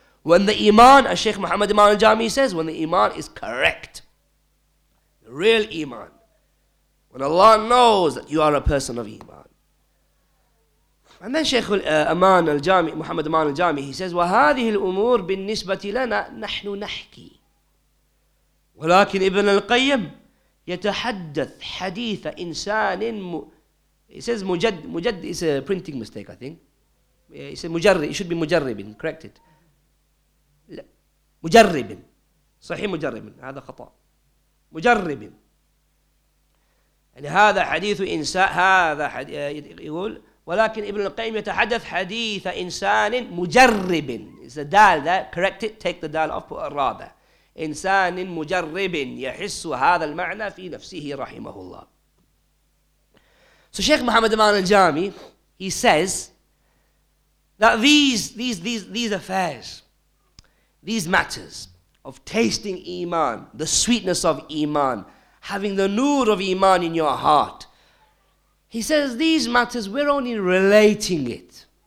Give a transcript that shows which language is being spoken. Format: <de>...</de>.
<en>When the iman, as Sheikh Muhammad Imran al-Jami says, when the iman is correct, the real iman, when Allah knows that you are a person of iman. And then Sheikh Aman al-Jami, Muhammad Imran al-Jami, he says,</en> <ar>وَهَذِهِ الْأُمُورِ بِالنِّسْبَةِ لَنَا نَحْنُ نَحْكِي. ولكن ابن القيم يتحدث حديث إنسان مجد</ar> <en>is a printing mistake I think. It's a مجرب, it should be مجرب, correct it.</en> <ar>مجرب, صحيح مجرب, هذا خطأ. مجرب. يعني هذا حديث إنسان, هذا يقول ولكن ابن القيم يتحدث حديث إنسان مجرب.</ar> <en>It's a dal there, correct it, take the dal off, put a ra there.</en> <ar>إنسان مجرب يحس هذا المعنى في نفسه رحمه الله.</ar> <en>So Sheikh Muhammad Aman al-Jami, he says that these affairs, these matters of tasting iman, the sweetness of iman, having the nur of iman in your heart, he says these matters, we're only relating it.</en>